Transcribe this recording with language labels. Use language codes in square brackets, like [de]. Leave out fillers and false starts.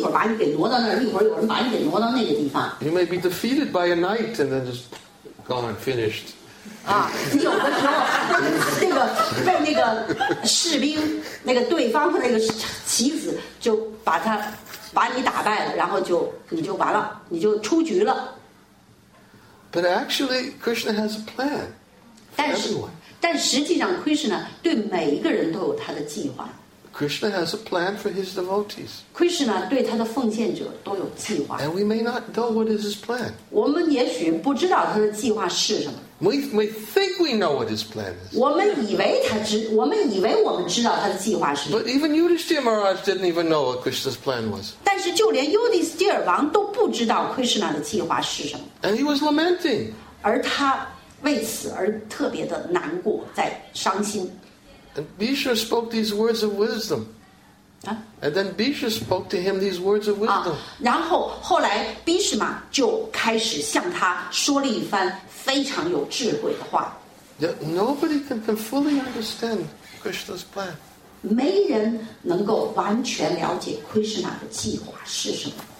[zh] 就是你就像是那个一盘棋盘上的那个棋子一样，然后有人一会儿把你给挪到那儿，一会儿有人把你给挪到那个地方。 [en] You may be defeated by a knight and then just gone, finished. [zh] 你有的时候被那个士兵，那个对方的那个棋子就把他。把你打败了，然后就你就完了，你就出局了。 [en] But actually, Krishna has a plan. [zh] 但实际上 ，Krishna 对每一个人都有他的计划。 [en] Krishna has a plan for his devotees. [zh] Krishna 对他的奉献者都有计划。 [en] And we may not know what is his plan. [zh] 我们也许不知道他的计划是什么。 [en] We think we know what his plan is. [zh] 我们以为我们知道他的计划是什么。 [en] But even Yudhisthira Maharaj didn't even know what Krishna's plan was. [zh] 但是就连 Yudhisthira 王都不知道 Krishna 的计划是什么。 [en] And he was lamenting. [zh] 而他为此而特别的难过，在伤心。 [en] And Bhishma spoke these words of wisdom. And then Bhishma spoke to him these words of wisdom. [zh] 然后后来 Bhishma 就开始向他说了一番非常有智慧的话。 [en] Yet nobody can fully understand Krishna's plan. [zh] 没人能够完全了解 Krishna 的计划是什么。